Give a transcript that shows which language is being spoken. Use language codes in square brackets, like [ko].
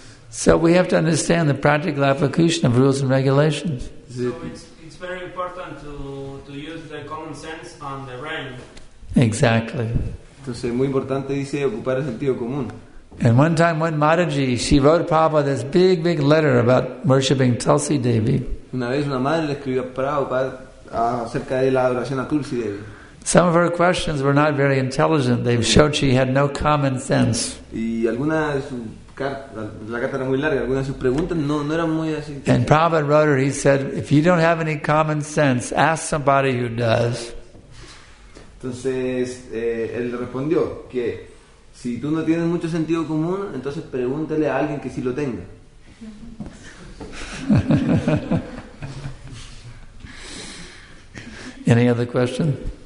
[en] So we have to understand the practical application of rules and regulations. So it's very important to use the common sense on the rain. Exactly. [es] Entonces, muy importante, dice, ocupar el sentido común. [en] And one time when Mataji, she wrote Prabhupada this big, big letter about worshipping Tulsi Devi. Some of her questions were not very intelligent. They showed she had no common sense. And Prabhupada wrote her, he said, if you don't have any common sense, ask somebody who does. [es] Entonces, él respondió que si tú no tienes mucho sentido común, entonces pregúntale a alguien que sí lo tenga. [en] Any other question?